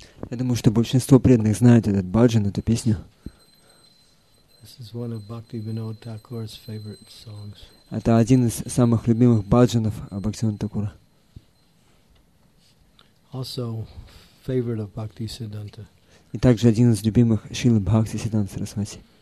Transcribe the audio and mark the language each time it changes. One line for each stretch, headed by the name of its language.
Russian: Я думаю, что большинство преданных знают этот баджан, эту песню.
English: This is one of Bhaktivinoda Thakur's favorite songs.
Russian: Это один из самых любимых баджанов Бхактивинода Такура.
English: Also favorite of Bhaktisiddhanta.
Russian: И также один из любимых Шрилы Бхактисиддханты Сарасвати.